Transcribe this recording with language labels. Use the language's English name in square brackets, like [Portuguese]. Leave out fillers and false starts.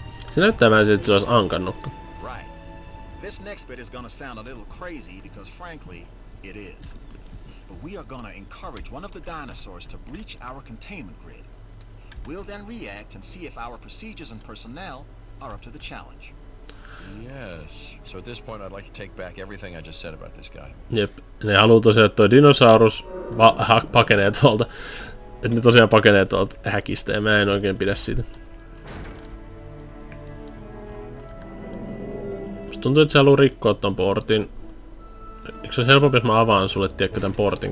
[Finnish] Se näyttää vähän siltä, että se olisi ankannukka. [English] Right. This next bit is gonna sound a little crazy because frankly, it is. But we are gonna encourage one of the dinosaurs to breach our containment grid. We'll then react and see if our procedures and personnel are up to the challenge. Yes. So at this point I'd like to take back everything I just said about this guy. [Finnish] Jep. Ne haluaa tosiaan, että toi dinosaurus pakenee tuolta. Että ne tosiaan pakenee tuolta häkistä ja mä en oikein pidä siitä. Tuntuu, että sä haluu rikkoa ton portin. Eikö se olisi helpompi, jos mä avaan sulle tiekkä tän portin?